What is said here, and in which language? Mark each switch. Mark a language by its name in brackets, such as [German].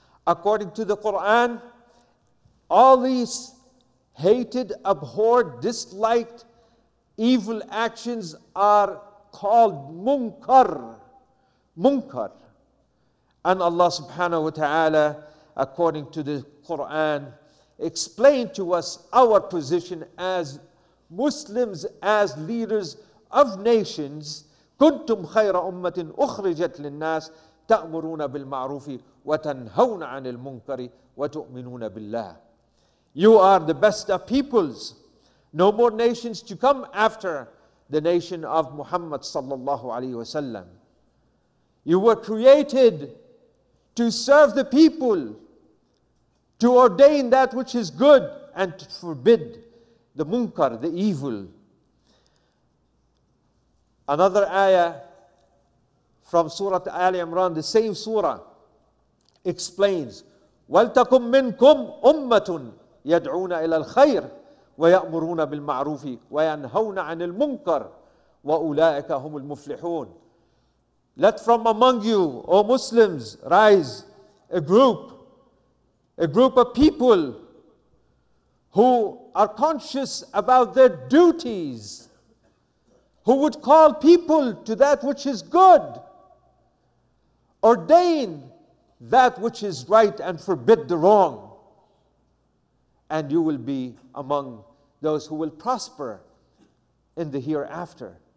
[English] According to the Quran, all these hated, abhorred, disliked evil actions are called munkar. Munkar. And Allah subhanahu wa ta'ala, according to the Quran, explained to us our position as Muslims, as leaders of nations. [Arabic] كنتم خير أمة أخرجت للناس تأمرون بالمعروف وتنهون عن المنكر وتؤمنون بالله. [English] You are the best of peoples. No more nations to come after the nation of Muhammad sallallahu alayhi wasallam. You were created to serve the people, to ordain that which is good and to forbid the munkar, the evil. Another ayah from Surah Ali Imran, the same surah, explains, [Arabic] وَلْتَكُمْ مِنْكُمْ أُمَّةٌ يَدْعُونَ إِلَى الْخَيْرِ وَيَأْمُرُونَ بِالْمَعْرُوفِ وَيَنْهَوْنَ عَنِ الْمُنْكَرِ وَأُولَٰئِكَ هُمُ الْمُفْلِحُونَ. [English] Let from among you, O Muslims, rise a group of people who are conscious about their duties, who would call people to that which is good, ordain that which is right and forbid the wrong, and you will be among those who will prosper in the hereafter.